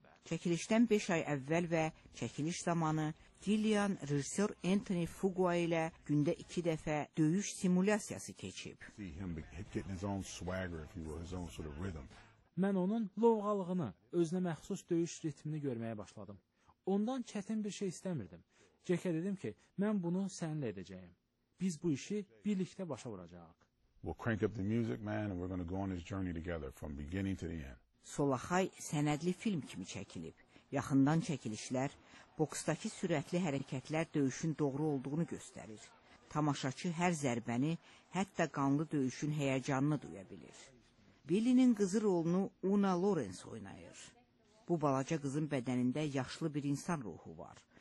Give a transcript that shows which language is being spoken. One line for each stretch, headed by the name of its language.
Azerbaijani: Çəkilişdən 5 ay əvvəl və çəkiliş zamanı Gillian rejissor Anthony Fuqua ilə gündə 2 dəfə döyüş simulyasiyası keçib. Mən onun lovğalığını, özünə məxsus döyüş ritmini görməyə başladım. Ondan çətin bir şey istəmirdim. Jack'ə dedim ki, mən bunu səninlə edəcəyim. Biz bu işi birlikdə başa vuracağıq.
English: We'll crank up the music, man, and we're going to go on this journey together from beginning to the end.
Azerbaijani: Solo High sənədli film kimi çəkilib. Yaxından çəkilişlər, boksdakı sürətli hərəkətlər döyüşün doğru olduğunu göstərir. Tamaşaçı hər zərbəni, hətta qanlı döyüşün həyəcanını duya bilir. Billy'nin qızı rolunu Una Lawrence oynayır. Bu balaca qızın bədənində yaşlı bir insan ruhu var.